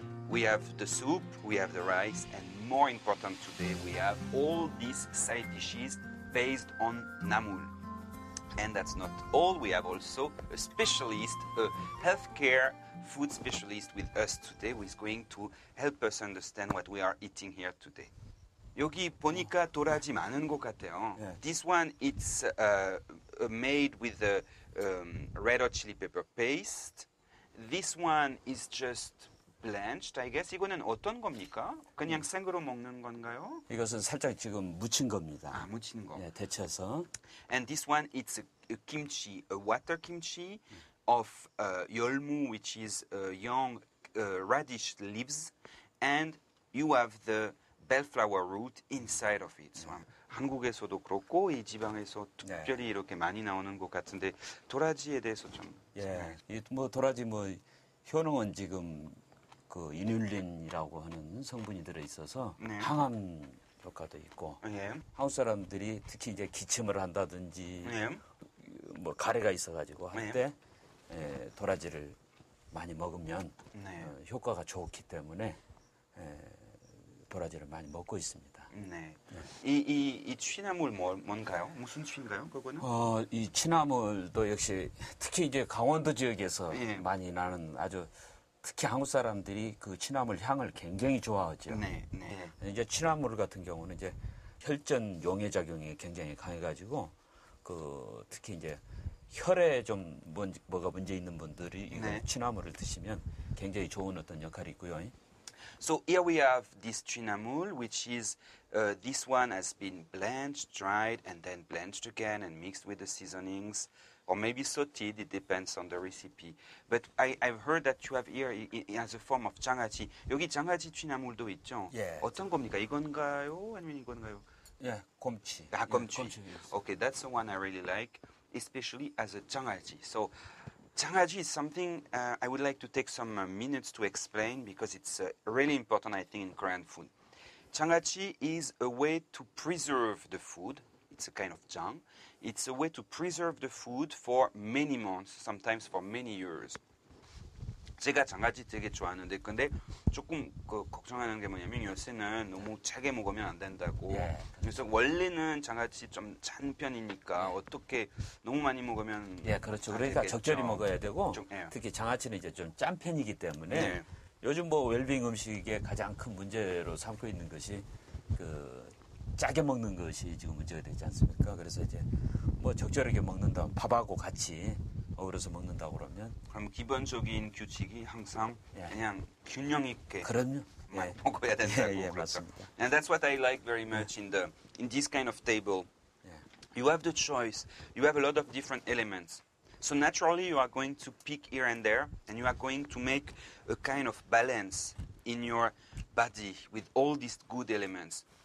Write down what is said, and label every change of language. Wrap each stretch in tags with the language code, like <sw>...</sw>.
<en>We have the soup, we have the rice, and more important today, we have all these side dishes based on namul. And that's not all, we have also a specialist, a healthcare food specialist with us today, who is going to help us understand what we are eating here today.</en> <ko>여기 보니까 도라지 많은 것 같아요.</ko> <en>This one, it's made with the red hot chili pepper paste. This one is just blanched, I guess.</en> <ko>이거는 어떤 겁니까? 그냥 생으로 먹는 건가요? 이것은 살짝 지금 무친 겁니다. 아, 무친 거. 네, 데쳐서.</ko> <en>And this one, it's a kimchi, a water kimchi. Of yolmu, which is young radish leaves, and you have the bellflower root inside of it.</en> <ko>So 한국에서도 그렇고 이 지방에서 특별히 네. 이렇게 많이 나오는 것 같은데 도라지에 대해서 좀 예. 이 뭐 도라지 뭐 효능은 지금 그 이눌린이라고 하는 성분이 들어 있어서 네. 항암 효과도 있고 예. 한국 사람들이 특히 이제 기침을 한다든지 예. 뭐 가래가 있어 가지고 할 때 예. 예, 도라지를 많이 먹으면 네. 효과가 좋기 때문에 예, 도라지를 많이 먹고 있습니다. 네. 이, 이, 이 취나물 뭐, 뭔가요? 무슨 취인가요? 그거는? 이 취나물도 역시 특히 이제 강원도 지역에서 예. 많이 나는 아주 특히 한국 사람들이 그 취나물 향을 굉장히 좋아하죠. 네. 네. 이제 취나물 같은 경우는 이제 혈전 용해 작용이 굉장히 강해가지고 그 특히 이제 혈에 좀 뭐가 문제 있는 분들이 네. 취나물을 드시면 굉장히 좋은 어떤 역할이 있고요.</ko> <en>So here we have this chinamul, which is this one has been blanched, dried, and then blanched again and mixed with the seasonings, or maybe sauteed, it depends on the recipe. But I've heard that you have here as a form of 장아찌.</en> <ko>여기 장아찌 chinamul도 있죠? 예. 어떤 겁니까? 이건가요? 아니면 이건가요? 예, 곰치. 아, 곰치. 예, 곰치.</ko> <en>Okay, that's the one I really like, especially as a 장아찌. So, 장아찌 is something I would like to take some minutes to explain because it's really important, I think, in Korean food. 장아찌 is a way to preserve the food. It's a kind of 장. It's a way to preserve the food for many months, sometimes for many years.</en> <ko>제가 장아찌 되게 좋아하는데 근데 조금 그 걱정하는 게 뭐냐면 요새는 너무 차게 먹으면 안 된다고</ko> <en>yeah.</en> <ko>그래서 원래는 장아찌 좀 찬 편이니까</ko> <en>yeah.</en> <ko>어떻게 너무 많이 먹으면 예</ko> <en>yeah,</en> <ko>그렇죠 그러니까 되겠죠. 적절히 먹어야 되고 좀,</ko> <en>yeah.</en> <ko>특히 장아찌는 이제 좀 짠 편이기 때문에</ko> <en>yeah.</en> <ko>요즘 뭐 웰빙 음식의 가장 큰 문제로 삼고 있는 것이 그 짜게 먹는 것이 지금 문제가 되지 않습니까 그래서 이제 뭐 적절하게 먹는다 밥하고 같이 어우러서 먹는다고 그러면 그럼 기본적인 규칙이 항상 예. 그냥 균형 있게 그럼요 예. 먹어야 된다고 예, 예, 그렇죠 맞습니다.</ko> <en>And that's what I like very much</en> <ko>예.</ko> <en>In this kind of table.</en> <ko>예.</ko> <en>You have the choice. You have a lot of different elements. So naturally, you are going to pick here and there, and you are going to make a kind of balance in your body with all these good elements.</en>